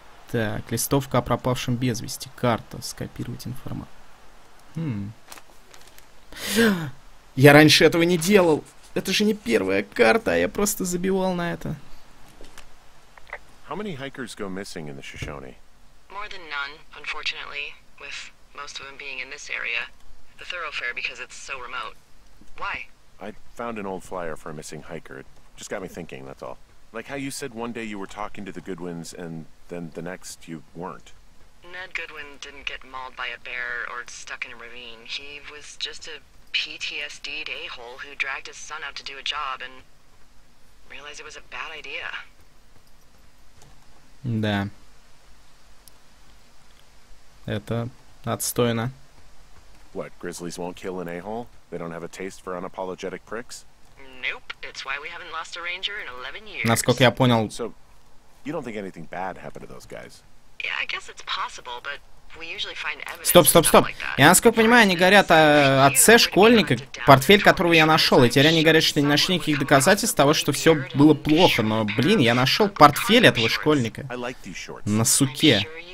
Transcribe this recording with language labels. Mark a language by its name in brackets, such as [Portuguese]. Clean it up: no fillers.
[Russian] Так, листовка о пропавшем без вести. Карта. Скопировать информацию. Я раньше этого не делал. Это же не первая карта, а я просто забивал на это. [English] How many hikers go missing in the Shoshone? More than none, unfortunately. With most of them being in this area, the thoroughfare, because it's so remote. Why? I found an old flyer for a missing hiker. It just got me thinking, that's all. Like how you said one day you were talking to the Goodwins, and then the next you weren't. Ned Goodwin didn't get mauled by a bear or stuck in a ravine. He was just a PTSD'd a-hole who dragged his son out to do a job and realized it was a bad idea. [Russian] Да. Это отстойно. [English] What, grizzlies won't kill an a-hole? They don't have a taste for unapologetic pricks? Nope, it's why we haven't lost a ranger in 11 years. [Russian] Насколько я понял... [English] So, you don't think anything bad happened to those guys? Yeah, I guess it's possible, but we usually find evidence... [Russian] Стоп, стоп, стоп. Я, насколько понимаю, они говорят о отце школьника, портфель которого я нашел. И теперь они говорят, что не нашли никаких доказательств того, что все было плохо. Но, блин, я нашел портфель этого школьника. На суке.